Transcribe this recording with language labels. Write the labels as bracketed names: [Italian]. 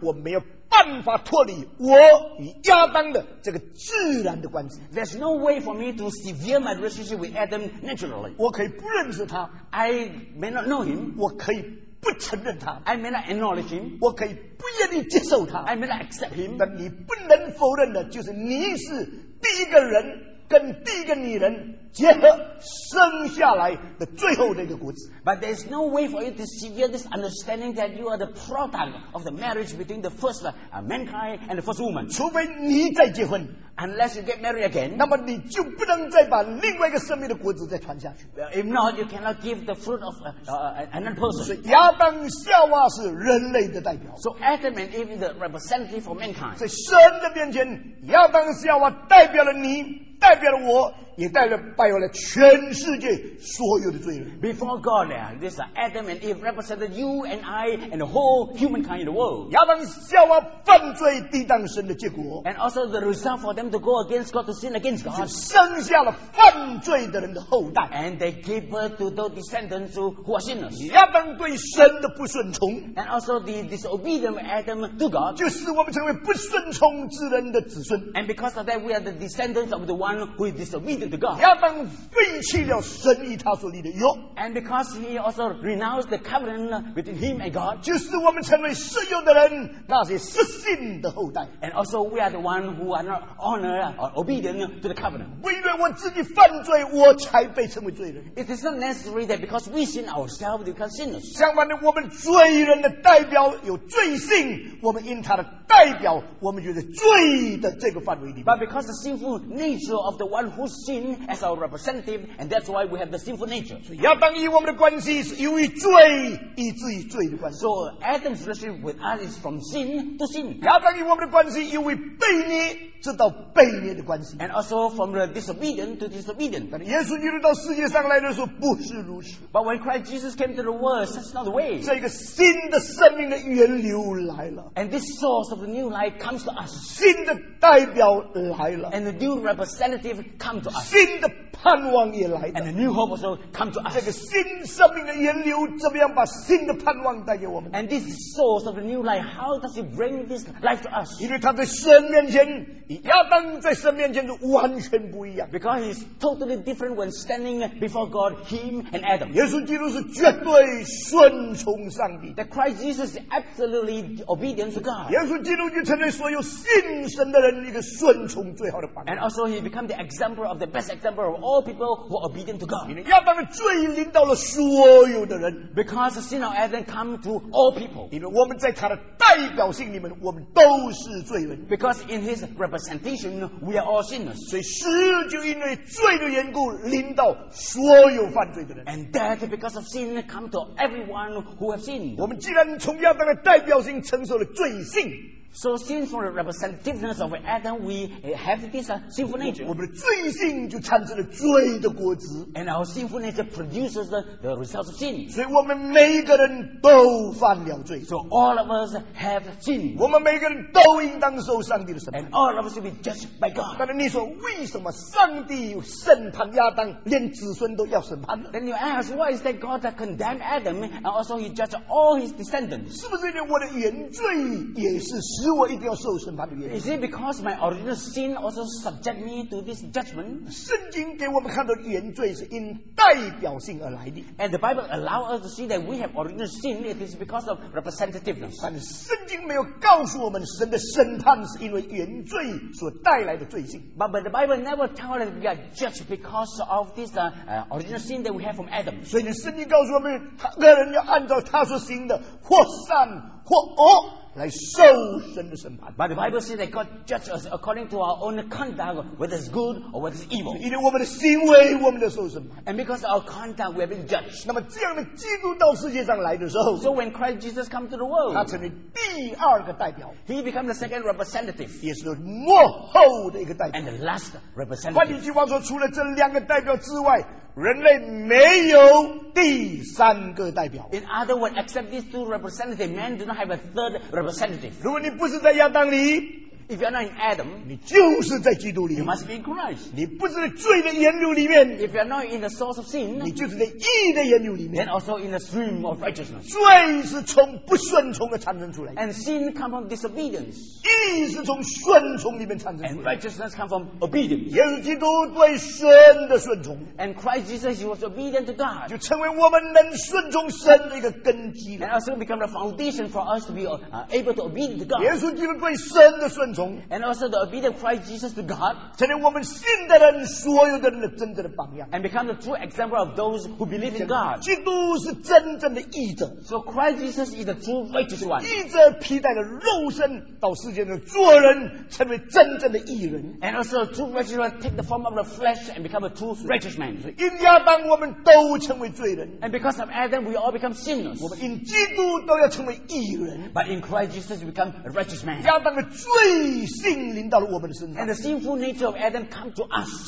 [Chinese] 我没有办法脱离我与亚当的这个自然的关系。 [English] There's no way for me to sever my relationship with Adam naturally. [Chinese] 我可以不认识他。 [English] I may not know him. [Chinese] 我可以不承认他。 [English] I may not acknowledge him. [Chinese] 我可以不愿意接受他。 [English] I may not accept him. [Chinese] 但你不能否认的就是你是第一个人跟第一个女人结合生下来的最后那个果子。 [English] But there's no way for you to sever this understanding that you are the product of the marriage between the first mankind and the first woman. [Chinese] 除非你再结婚。 [English] Unless you get married again, [Chinese] 那么你就不能再把另外一个生命的果子再传下去。 [English] If not, you cannot give the fruit of another person. [Chinese] 所以亚当夏娃是人类的代表。 [English] So Adam and Eve is the representative for mankind. [Chinese] 在神的面前，亚当夏娃代表了你，代表了我，也带了败坏了全世界所有的罪人。 [English] Before God, this Adam and Eve represented you and I and the whole humankind in the world. [Chinese] 亚当夏娃犯罪抵挡神的结果。 [English] And also the result for them to go against God, to sin against God. [Chinese] 就生下了犯罪的人的后代。 [English] And they gave birth to those descendants who are sinners. [Chinese] 亚当对神的不顺从。 [English] And also the disobedient Adam to God. [Chinese] 就使我们成为不顺从之人的子孙。 [English] And because of that, we are the descendants of the one who is disobedient. [Chinese] 亚当废弃了神与他所立的约。 [English] And because he also renounced the covenant between him and God. [Chinese] 就是我们成为世有的人，那些失信的后代。 [English] And also we are the one who are not honor or obedient to the covenant. [Chinese] 因为我自己犯罪，我才被称为罪人。 [English] It is not necessary that because we sin ourselves, we become sinners. [Chinese] 相反的，我们罪人的代表有罪性，我们因他的代表，我们就在罪的这个范围里。 [English] But because the sinful nature of the one who sin as our representative, and that's why we have the sinful nature. [Chinese] 亚当与我们的关系是由于罪，以至于罪的关系。 [English] So Adam's relationship with us is from sin to sin. [Chinese] 亚当与我们的关系由于悖逆，直到悖逆的关系。 [English] And also from the disobedient to disobedient. [Chinese] 但耶稣基督到世界上来的时候不是如此。 [English] But when Christ Jesus came to the world, that's not the way. [Chinese] 这个新的生命的源流来了。 [English] And this source of the new life comes to us. [Chinese] 新的代表来了。 [English] And the new representative comes to us. [Chinese] 新的盼望也来了。 [English] And the new hope also comes to us. [Chinese] 这个新生命的源流怎么样把新的盼望带给我们。 [English] And this source of the new life, how does it bring this life to us? [Chinese] 因为他在神面前，亚当在神面前就完全不一样。 [English] Because he's totally different when standing before God, him and Adam. [Chinese] 耶稣基督是绝对顺从上帝。 [English] That Christ Jesus is absolutely obedient to God. [Chinese] 耶稣基督就成为所有信神的人一个顺从最好的榜样。 [English] And also he became the example of the best example of all people who are obedient to God. [Chinese] 亚当的罪临到了所有的人。 [English] Because the sin of Adam come to all people. [Chinese] 因为我们在他的代表性里面，我们都是罪人。 [English] Because in his representation, we are all sinners. [Chinese] 所以死就因为罪的缘故临到所有犯罪的人。 [English] And death because of sin come to everyone who have sinned. [Chinese] 我们既然从亚当的代表性承受了罪性。 [English] So since from the representativeness of Adam, we have this sinful nature. [Chinese] 我们的罪性就产生了罪的果子。 [English] And our sinful nature produces the results of sin. [Chinese] 所以我们每个人都犯了罪。 [English] So all of us have sinned. [Chinese] 我们每个人都应当受上帝的审判。 [English] And all of us should be judged by God. [Chinese] 但是你说为什么上帝审判亚当，连子孙都要审判呢？ [English] Then you ask, why is that God that condemned Adam and also he judged all his descendants? [Chinese] 是不是因为我的原罪也是神？使我一定要受审判的原因。 [English] Is it because my original sin also subject me to this judgment? [Chinese] 圣经给我们看到的原罪是因代表性而来的。 [English] And the Bible allows us to see that we have original sin, it is because of representativeness. [Chinese] 但圣经没有告诉我们神的审判是因为原罪所带来的罪性。 [English] But the Bible never tells us that we are judged because of this original sin that we have from Adam. [Chinese] 所以圣经告诉我们，个人要按照他所行的或善或恶来受神的审判。 [English] But the Bible says that God judges us according to our own conduct, whether it's good or whether it's evil. [Chinese] 因为我们的行为，我们的受审判。 [English] And because of our conduct, we have been judged. [Chinese] 那么这样的基督到世界上来的时候 [English] ，So when Christ Jesus come to the world, [Chinese] 他成为第二个代表。 [English] He become the second representative. [Chinese] 也是末后的一个代表。 [English] And the last representative. [Chinese] 换句话说，除了这两个代表之外，人类没有第三个代表。 [English] In other words, except these two representatives, man do not have a third representative. [Chinese] 如果你不是在亚当里， [English] if you are not in Adam, [Chinese] 你就是在基督里。 [English] You must be in Christ. [Chinese] 你不是在罪的源流里面， [English] if you are not in the source of sin, [Chinese] 你就是在义的源流里面。 [English] And also in the stream of righteousness. [Chinese] 罪是从不顺从的产生出来。 [English] And sin come from disobedience. [Chinese] 义是从顺从里面产生。 [English] And righteousness come from obedience. [Chinese] 耶稣基督对神的顺从。 [English] And Christ Jesus was obedient to God. [Chinese] 就成为我们能顺从神的一个根基。 [English] And also become the foundation for us to be able to obedient to God. [Chinese] 耶稣基督对神的顺从。 [English] And also the obedient Christ Jesus to God. [Chinese] 成为我们信的人所有的人的真正的榜样。 [English] And become the true example of those who believe in God. [Chinese] 基督是真正的义者。 [English] So Christ Jesus is the true righteous one. [Chinese] 义者披戴了肉身到世界上做人，成为真正的义人。 [English] And also a true righteous one take the form of the flesh and become a true righteous man. [Chinese] 因亚当我们都成为罪人。 [English] And because of Adam we all become sinners. [Chinese] 我们因基督都要成为义人。 [English] But in Christ Jesus we become a righteous man. [Chinese] 亚当的罪 [English] And the sinful nature of Adam come to us.